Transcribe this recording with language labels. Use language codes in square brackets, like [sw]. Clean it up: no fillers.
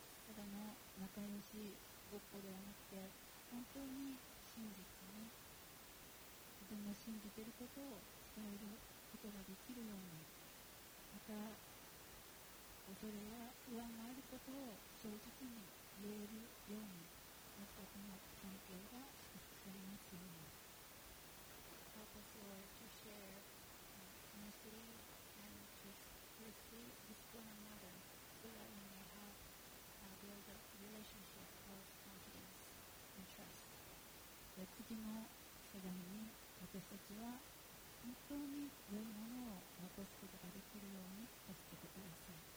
[ja] ただの仲良しごっこではなくて、本当に真実に自分が信じていることを伝えることができるように、また恐れや不安があることを正直に言えるように、私たちの関係が祝福されますように。 [en] Help us, Lord, to share mercy and to receive with one another so that we may have a build up relationship of confidence and trust. [ja] で、次の世代に私たちは本当に良いものを残すことができるように助けてください。